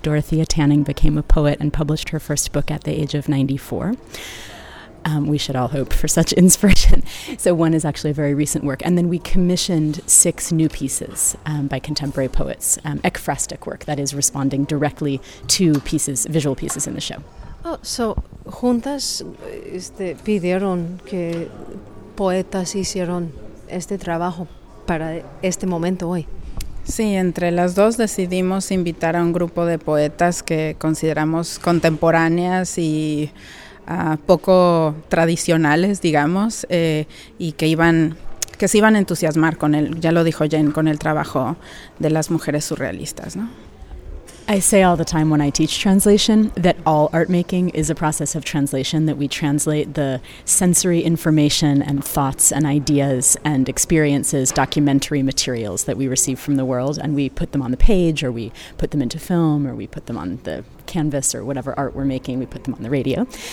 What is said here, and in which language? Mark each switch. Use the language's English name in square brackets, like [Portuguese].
[English] Dorothea Tanning became a poet and published her first book at the age of 94. We should all hope for such inspiration. So one is actually a very recent work. And then we commissioned six new pieces by contemporary poets, ekphrastic work, that is responding directly to pieces, visual pieces in the show. [Spanish] Oh, so juntas pidieron que poetas hicieron este trabajo para este momento hoy. Sí, entre las dos decidimos invitar a un grupo de poetas que consideramos contemporáneas y poco tradicionales, digamos, y que se iban a entusiasmar con el, ya lo dijo Jen, con el trabajo de las mujeres surrealistas, ¿no? [English] I say all the time when I teach translation that all art making is a process of translation, that we translate the sensory information and thoughts and ideas and experiences, documentary materials that we receive from the world, and we put them on the page, or we put them into film, or we put them on the canvas, or whatever art we're making, we put them on the radio.